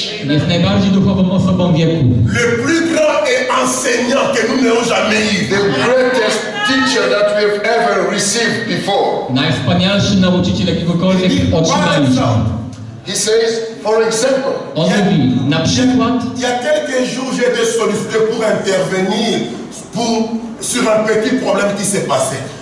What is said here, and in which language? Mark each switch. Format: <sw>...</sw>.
<pl>jest najbardziej duchową osobą wieku.</pl> <fr>Le plus grand et enseignant que nous n'ayons jamais eu.</fr> <en>The greatest teacher that we have ever received before.</en> <pl>Najwspanialszy nauczyciel jakiegokolwiek otrzymaliśmy.</pl> <en>He says, for example,</en> <pl>on mówi, na przykład,</pl> <fr>il y a quelques jours j'ai été sollicité pour intervenir pour sur un petit problème qui s'est passé.</fr>